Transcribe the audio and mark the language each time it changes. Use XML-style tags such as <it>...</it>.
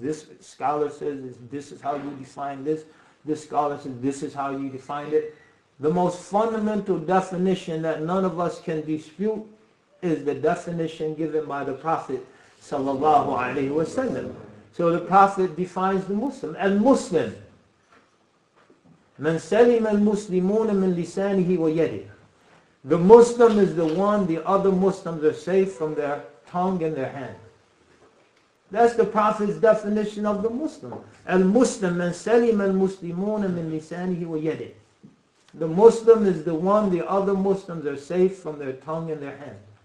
<en>This scholar says this is how you define this. This scholar says this is how you define it. The most fundamental definition that none of us can dispute is the definition given by the Prophet sallallahu alaihi wasallam. So the Prophet defines the Muslim. And Muslim,</en> <ar>من سلم المسلمون من لسانه ويده.</ar> <en>The Muslim is the one, the other Muslims are safe from their tongue and their hand. That's the Prophet's definition of the Muslim.</en> <ar>Al-Muslim, man salim al-Muslimun min lisanihi wa yadihi.</ar> <en>The Muslim is the one, the other Muslims are safe from their tongue and their hand.</en>